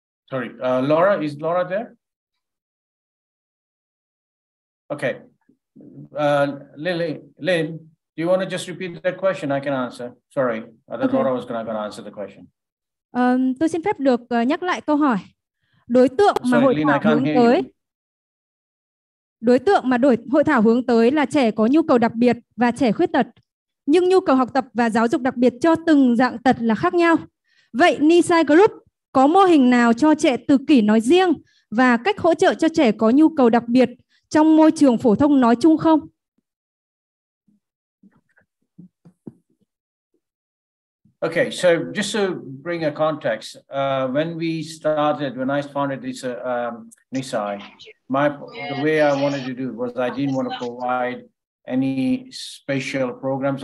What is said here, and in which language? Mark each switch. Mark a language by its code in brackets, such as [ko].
[en] Sorry, Laura, is Laura there? Okay. Lynn, do you want to just repeat that question? I can answer. Sorry, I thought Laura was going to answer the question. [vi] Tôi xin phép được nhắc lại câu hỏi. Đối tượng mà hội thảo hướng tới. Đối tượng mà hội thảo hướng tới là trẻ có nhu cầu đặc biệt và trẻ khuyết tật. Nhưng nhu cầu học tập và giáo dục đặc biệt cho từng dạng tật là khác nhau. Vậy Nisai Group có mô hình nào cho trẻ tự kỷ nói riêng và cách hỗ trợ cho trẻ có nhu cầu đặc biệt trong môi trường phổ thông nói chung không? [en] Okay, so just to bring a context, when we started, when I founded this Nisai, the way I wanted to do was I didn't want to provide any special programs.